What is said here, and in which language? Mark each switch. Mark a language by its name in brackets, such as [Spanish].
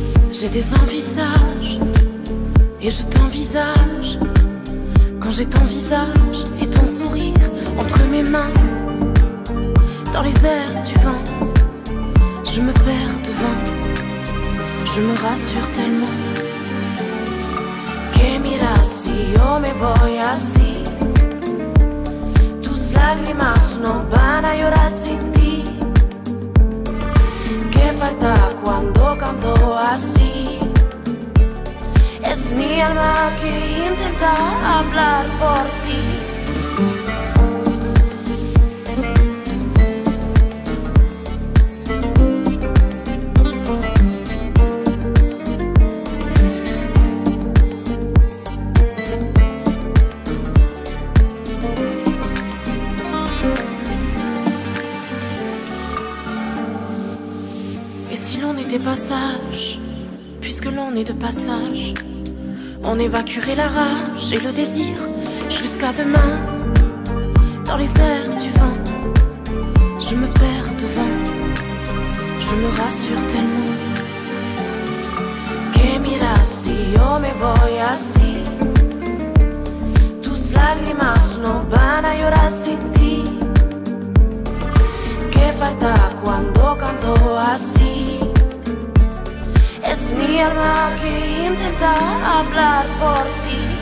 [French] J'ai des envisages et je t'envisage. Quand j'ai ton visage et ton sourire entre mes mains, dans les airs du vent, je me perds devant, je me rassure tellement. [Spanish] Que mira si yo me voy así, tus lágrimas no van a llorar sin ti. Que falta cuando canto así, es mi alma que intenta hablar por ti. [French] Et si l'on était pas sage, puisque l'on est de passage, on évacuerait la rage et le désir jusqu'à demain. Dans les airs du vent, je me perds devant, je me rassure tellement. [Spanish] Que mira si yo me voy así, tus lágrimas no van a llorar sin ti. Que falta cuando canto así, es mi alma que intenta hablar por ti.